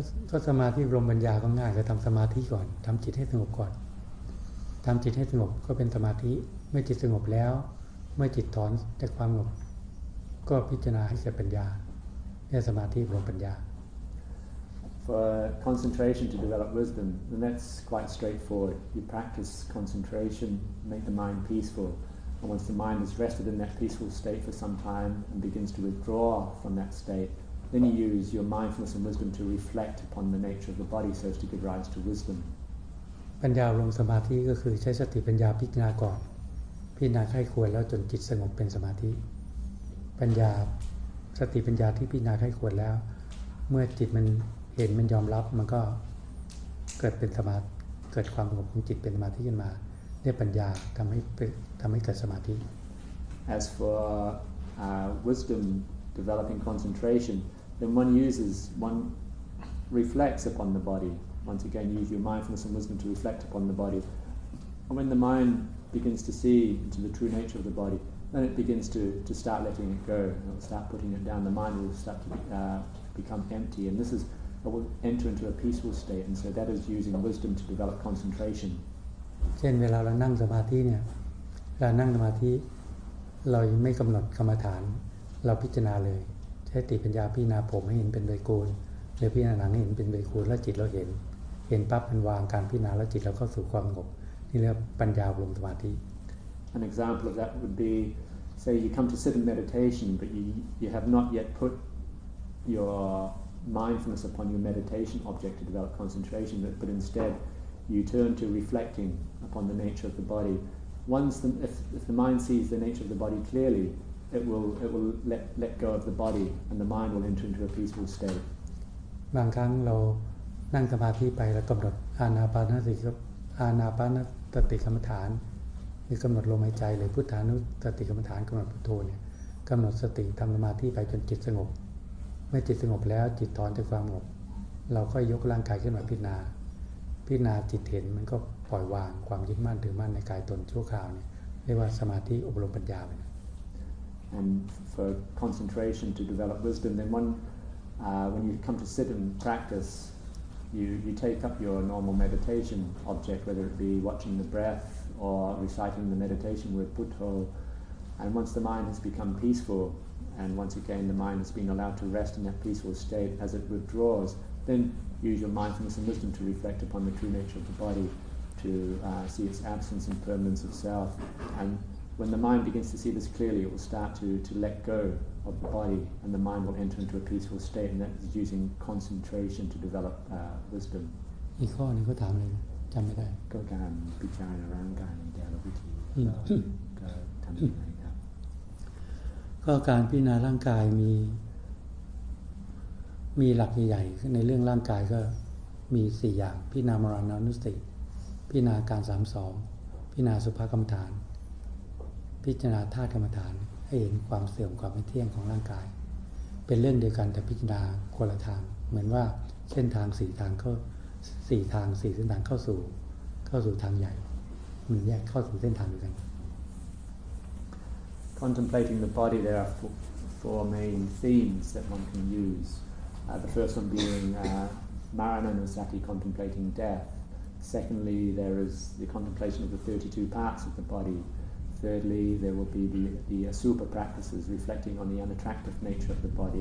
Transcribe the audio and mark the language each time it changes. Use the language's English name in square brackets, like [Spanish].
[Thai] ก็สมาธิอบรมปัญญาก็ง่ายก็ทำสมาธิก่อนทำจิตให้สงบก่อนทำจิตให้สงบก็เป็นสมาธิ มื่อจิตสงบแล้วเมื่อจิตถอนจากความสงบก็พิจารณาให้เกิดปัญญาเนี่ยสมาธิของปัญญา [English] For concentration to develop wisdom, then that's quite straightforward. You practice concentration, make the mind peacefulAnd once the mind is rested in that peaceful state for some time and begins to withdraw from that state, then you use your mindfulness and wisdom to reflect upon the nature of the body so as to give rise to wisdom. [Thai] ปัญญาลงสมาธิก็คือใช้สติปัญญาพิจารณาก่อนพิจารณาให้ควรแล้วจนจิตสงบเป็นสมาธิปัญญาสติปัญญาที่พิจารณาให้ควรแล้วเมื่อจิตมันเห็นมันยอมรับมันก็เกิดเป็นสมาธิเกิดความสงบของจิตเป็นสมาธิขึ้นมาเนี่ยปัญญาทำให้เกิดสมาธิ [English] As for wisdom developing concentration then one reflects upon the body once again use your mindfulness and wisdom to reflect upon the body and when the mind begins to see into the true nature of the body then it begins to start letting it go it'll start putting it down the mind will start to become empty and this is it will enter into a peaceful state and so that is using wisdom to develop concentration [Thai] เช่นเวลาเรานั่งสมาธิเนี่ยเรานั่งสมาธิเราไม่กำหนดกรรมฐานเราพิจารณาเลยใช้สติปัญญาพิจารณาผมให้เห็นเป็นใบโกนหรือพิจารณาหนังให้เห็นเป็นใบโกนแล้วจิตเราเห็นปั๊บมันวางการพิจารณาแล้วจิตเราเข้าสู่ความสงบนี่เรียกปัญญาลงสมาธิ [English] An example of that would be say you come to sit in meditation but you have not yet put your mindfulness upon your meditation object to develop concentration but instead you turn to reflectingUpon the nature of the body, once the, if the mind sees the nature of the body clearly, it will let go of the body, and the mind will enter into a peaceful state. [Thai] บางครั้งเรานั่งสมาธิไปแล้วกำหนดอานาปานสติกรรมฐานหรือกำหนดลมหายใจหรือพุทธานุสติกรรมฐานกำหนดพุทโธเนี่ยกำหนดสติทำสมาธิไปจนจิตสงบเมื่อจิตสงบแล้วจิตถอนจากความสงบเราก็ยกร่างกายขึ้นมาพิจารณาจิตเห็นมันก็ปล่อยวางความยึดมั่นถือมั่นในกายตนชั่วคราวเนี่ยเรียกว่าสมาธิอบรมปัญญาไป [English] And for concentration to develop wisdom then when you come to sit and practice you take up your normal meditation object whether it be watching the breath or reciting the meditation word putto and once the mind has become peaceful and once again the mind has been allowed to rest in that peaceful state as it withdraws then use your mindfulness and wisdom to reflect upon the true nature of the bodyto see its absence and permanence of self and when the mind begins to see this clearly it will start to let go of the body and the mind will enter into a peaceful state and that is using concentration to develop wisdom [Thai] อีกข้อนึงก็ถามเลยจำไม่ได้ก็การพิจารณาร่างกายในแต่ละวิธีก็ทำยังไงครับ ก็การพิจารณาร่างกายมีหลักใหญ่ๆในเรื่องร่างกายก็มี4อย่างพิจารณามรณานุสติพิจารณาการ32พิจารณาสุภกรรมฐานพิจารณาธาตุกรรมฐานให้เห็นความเสื่อมความไม่เที่ยงของร่างกายเป็นเรื่องเดียวกันแต่พิจารณาคนละทางเหมือนว่าเส้นทาง4ทางก็4ทาง4เส้นทางเข้าสู่ทางใหญ่มันแยกเข้าสู่เส้นทางเดียวกัน [English] Contemplating the body there are four main themes that one can use the first one being maranasati contemplating deathSecondly, there is the contemplation of the 32 parts of the body. Thirdly, there will be the asupa practices, reflecting on the unattractive nature of the body.